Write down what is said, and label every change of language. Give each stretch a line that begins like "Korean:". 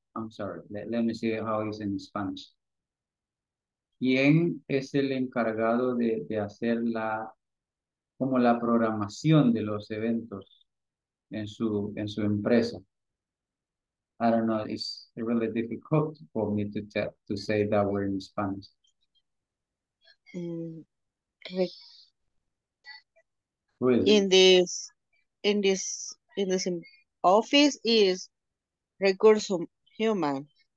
English: I'm sorry, let me see how it's in Spanish.
Spanish: ¿Quién es el encargado de hacer la programación de los eventos en su empresa?
English: I don't know, it's really difficult for me to say that word in Spanish. Really? In this office is recurso human.